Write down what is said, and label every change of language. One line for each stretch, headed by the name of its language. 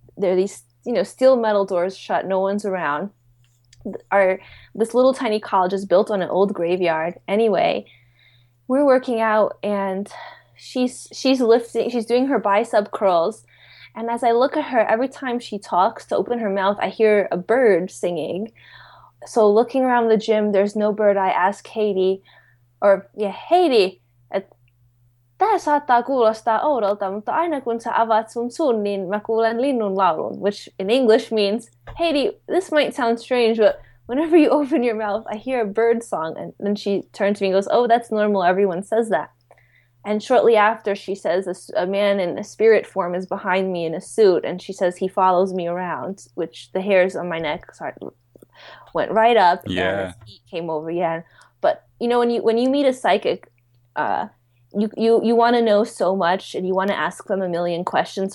English: There are these, you know, steel metal doors shut. No one's around. This little tiny college is built on an old graveyard. Anyway, we're working out and she's lifting, she's doing her bicep curls. And as I look at her, every time she talks to open her mouth, I hear a bird singing. So looking around the gym, there's no bird. I ask Haiti, Haiti,
Finnish: tämä saattaa kuulostaa oudolta, mutta aina kun sä avaat sun suun, niin mä kuulen linnun laulun,
English: which in English means, Haiti, this might sound strange, but whenever you open your mouth, I hear a bird song. And then she turns to me and goes, oh, that's normal. Everyone says that. And shortly after, she says, a man in a spirit form is behind me in a suit. And she says, he follows me around, which the hairs on my neck went right up. Yeah. And his feet came over. Yeah. But, you know, when you meet a psychic, you want to know so much and you want to ask them a million questions.